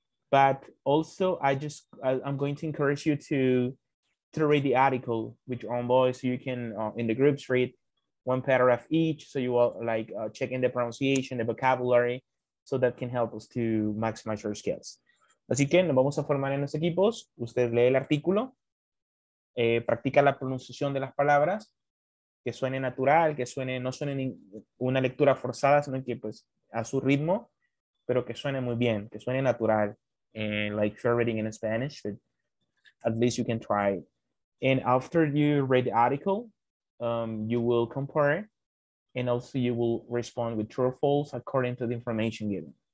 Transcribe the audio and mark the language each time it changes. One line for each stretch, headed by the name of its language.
English: But also, I'm going to encourage you to read the article with your own voice. You can, in the groups, read one paragraph each. So you will like check in the pronunciation, the vocabulary. So that can help us to maximize our skills.
Spanish: Así que nos vamos a formar en los equipos. Usted lee el artículo. Practica la pronunciación de las palabras, que suene natural, que suene, no suene una lectura forzada, sino que pues a su ritmo, pero que suene muy bien, que suene natural.
English: And like if you're reading in Spanish, but at least you can try. And after you read the article, you will compare, and also you will respond with true or false according to the information given.